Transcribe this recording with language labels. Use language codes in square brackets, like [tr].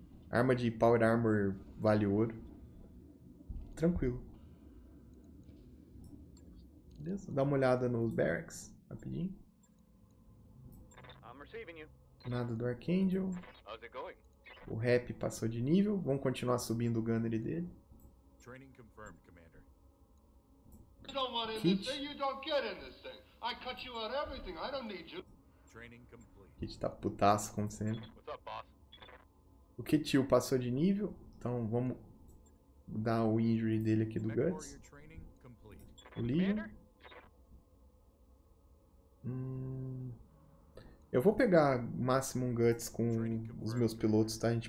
[pt] Arma de Power Armor vale ouro. Tranquilo. Beleza? Dá uma olhada nos barracks, rapidinho. Nada do Archangel. [en] How's it going? [pt] O rep passou de nível. Vamos continuar subindo o gunnery dele. [en] Training confirmed, Commander. You don't want in this thing, you don't get in this thing. I cut you out everything, I don't need you. Training complete. [pt] Kit tá putaço, como sempre. [en] What's up, boss? [pt] O Kitio passou de nível. Então vamos dar o injury dele aqui do Guts. O Legion. Eu vou pegar máximo Guts com os meus pilotos, tá, gente?